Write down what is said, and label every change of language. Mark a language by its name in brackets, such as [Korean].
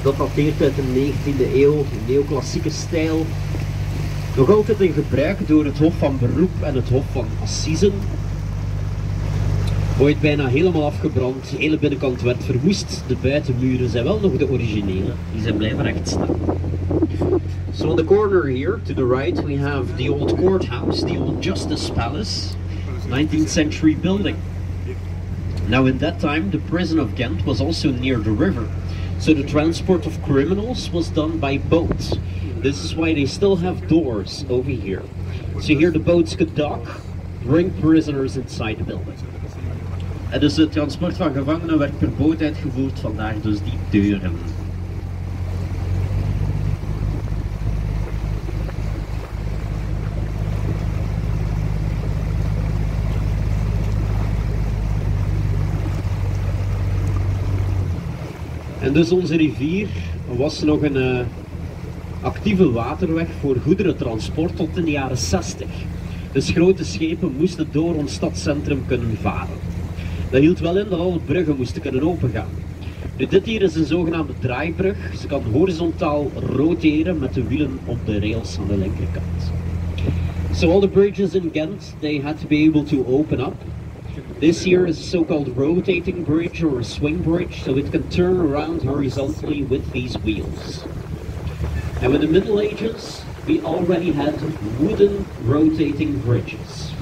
[Dutch] Dat dateert uit de 19e eeuw, in neoclassieke stijl. Nog altijd in gebruik door het Hof van Beroep en het Hof van Assisen. Ooit bijna helemaal afgebrand, de hele binnenkant werd verwoest. De buitenmuren zijn wel nog de originele, die zijn blijven recht staan. [English] So in the corner here, to the right, we have the old courthouse, the old Justice Palace, 19th century building. Now in that time, the prison of Ghent was also near the river, so the transport of criminals was done by boat. This is why they still have doors over here. So here the boats could dock, bring prisoners inside the building. [Dutch] En dus het transport van gevangenen werd per boot uitgevoerd, vandaar dus die deuren. En dus onze rivier was nog een actieve waterweg voor goederentransport tot in de jaren 60. Dus grote schepen moesten door ons stadscentrum kunnen varen. Dat hield wel in dat alle bruggen moesten kunnen opengaan. Nu, dit hier is een zogenaamde draaibrug. Ze kan horizontaal roteren met de wielen op de rails aan de linkerkant. [English] So all the bridges in Ghent, they had to be able to open up. This here is a so-called rotating bridge or a swing bridge, so it can turn around horizontally with these wheels. Now in the Middle Ages, we already had wooden rotating bridges.